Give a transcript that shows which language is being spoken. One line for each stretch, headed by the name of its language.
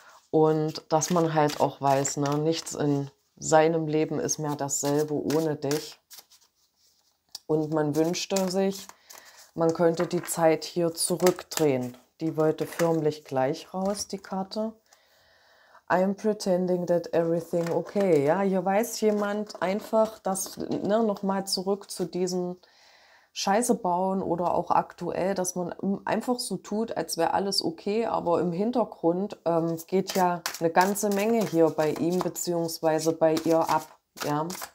German: Und dass man halt auch weiß, ne, nichts in seinem Leben ist mehr dasselbe ohne dich. Und man wünschte sich, man könnte die Zeit hier zurückdrehen. Die wollte förmlich gleich raus, die Karte.
English: I'm pretending that everything okay.
German: Ja, hier weiß jemand einfach, dass, ne, nochmal zurück zu diesem Scheiße bauen oder auch aktuell, dass man einfach so tut, als wäre alles okay, aber im Hintergrund geht ja eine ganze Menge hier bei ihm bzw. bei ihr ab. Ja?